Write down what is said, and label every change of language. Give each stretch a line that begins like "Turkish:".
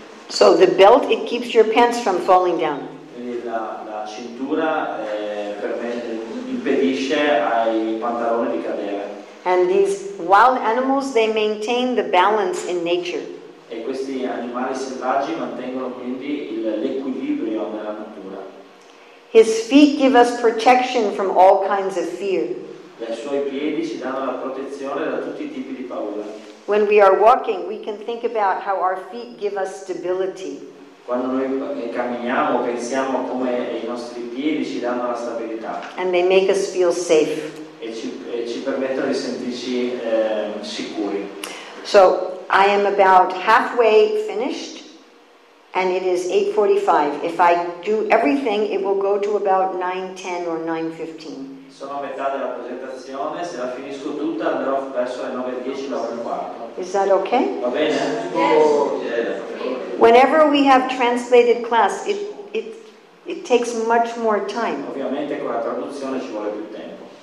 English: So the belt, it keeps your pants from falling down.
Italian: La cintura permette, impedisce ai pantaloni di cadere.
English: And these wild animals, they maintain the balance in nature.
Italian: E questi animali selvaggi mantengono quindi l'equilibrio nella natura.
English: His feet give us protection from all kinds of fear.
Italian: Le sue piedi ci danno la protezione da tutti i tipi di paura.
English: When we are walking, we can think about how our feet give us stability.
Italian: Quando noi camminiamo, pensiamo a come i nostri piedi ci danno la stabilità.
English: And they make us feel safe.
Italian: E ci permettono di sentirci sicuri.
English: So, I am about halfway finished, and it is 8:45. If I do everything, it will go to about 9:10 or 9:15.
Italian: Sono a metà della presentazione, se la finisco tutta andrò verso le 9:10, 9:15.
English: Is that okay?
Italian: Va bene?
English: Yes. Whenever we have translated class, it takes much more time.
Italian: Ovviamente con la traduzione ci vuole più tempo.